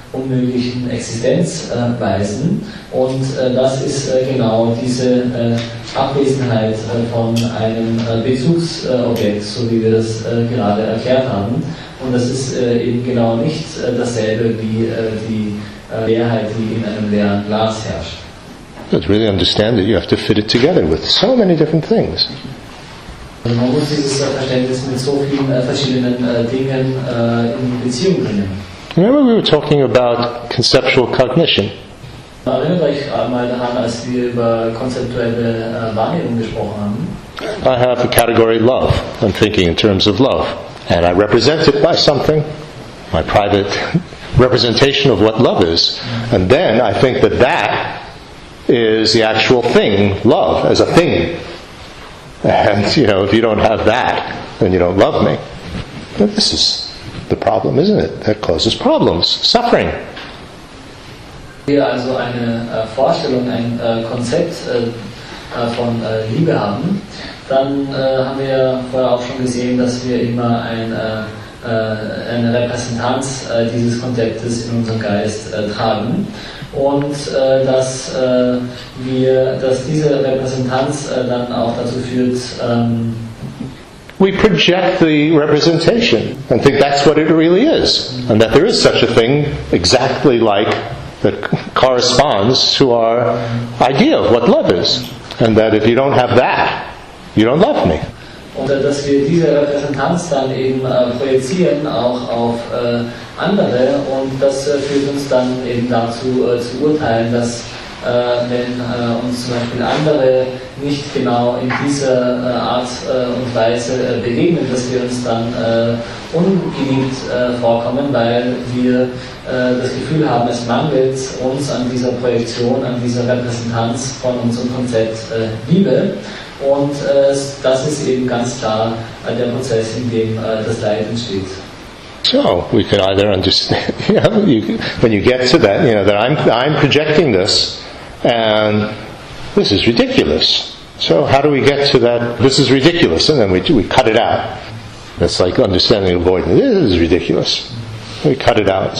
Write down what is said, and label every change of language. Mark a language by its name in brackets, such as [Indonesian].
[German] unmöglichen Existenzweisen. Und das ist genau diese Abwesenheit von einem Bezugsobjekt, so wie wir das gerade erklärt haben. Und das ist eben genau nicht dasselbe wie die Leerheit, die in einem leeren Glas herrscht. [English] But really understand that you have to fit it together with so many different things. [German] Man muss dieses Verständnis mit so vielen verschiedenen Dingen in Beziehung bringen. [English] Remember we were talking about conceptual cognition. [German] Erinnert euch einmal daran, als wir über konzeptuelle Wahrnehmung gesprochen haben. [English] I have a category love. I'm thinking in terms of love. And I represent it by something, my private representation of what love is. And then I think that that is the actual thing, love, as a thing. And, you know, if you don't have that, then you don't love me. But this is the problem, isn't it? That causes problems, suffering. [German] Wir also eine Vorstellung, ein Konzept von Liebe haben, dann haben wir vorher auch schon gesehen, dass wir immer eine Repräsentanz dieses Konzeptes in unserem Geist tragen. Und dass wir, dass diese Repräsentanz dann auch dazu führt, [English] we project the representation and think that's what it really is, and that there is such a thing exactly like that corresponds to our idea of what love is, and that if you don't have that, you don't love me. [German] Und dass wir diese Repräsentanz dann eben projizieren auch auf andere, und das führt uns dann eben dazu zu urteilen, dass wenn uns zum Beispiel andere nicht genau in dieser Art und Weise begegnen, dass wir uns dann ungeliebt vorkommen, weil wir das Gefühl haben, es mangelt uns an dieser Projektion, an dieser Repräsentanz von unserem Konzept Liebe. Und das ist eben ganz klar der Prozess, in dem das Leid entsteht. [English] So we can either understand, you know, when you get to that, you know, that I'm projecting this, and this is ridiculous. So how do we get to that? This is ridiculous, and then we cut it out. It's like understanding avoidance. This is ridiculous. We cut it out.